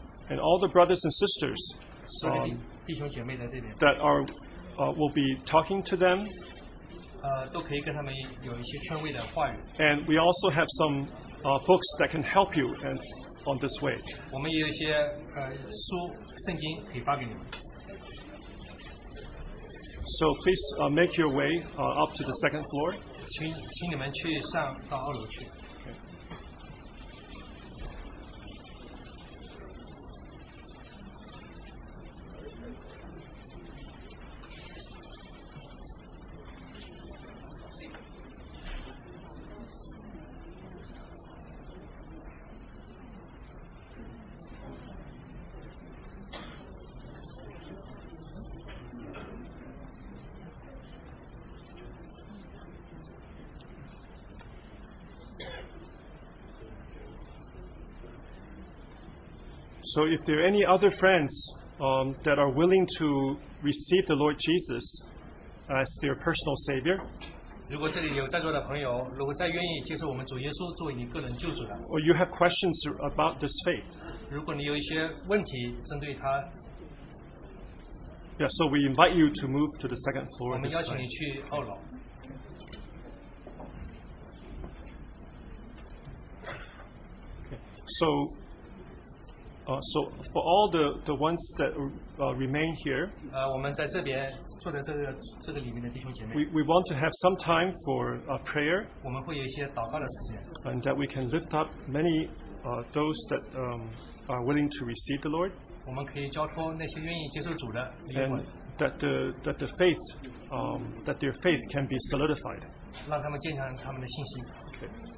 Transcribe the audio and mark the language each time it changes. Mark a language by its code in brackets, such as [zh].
[en] And all the brothers and sisters that are will be talking to them. And we also have some. Books that can help you and on this way. [zh] 我们有一些书圣经可以发给你们。 [en] So please make your way up to the second floor. [zh] 请你们去上到二楼去。 [en] So if there are any other friends that are willing to receive the Lord Jesus as their personal Savior, [zh] 如果这里有在座的朋友，如果再愿意接受我们主耶稣作为你个人救主的， [en] or you have questions about this faith, [zh] 如果你有一些问题针对他， [en] yeah, so we invite you to move to the second floor. [zh] 我们邀请你去二楼。 [en] So. So for all the ones that remain here, [zh] 我们在这边坐在这个里面的弟兄姐妹 [en] we want to have some time for prayer. [zh] 我们会有一些祷告的时间 [en] and that we can lift up many those that are willing to receive the Lord. [zh] 我们可以交托那些愿意接受主的灵魂 [en] and that the faith that their faith can be solidified. [zh] 让他们坚强他们的信心。 [en] Okay.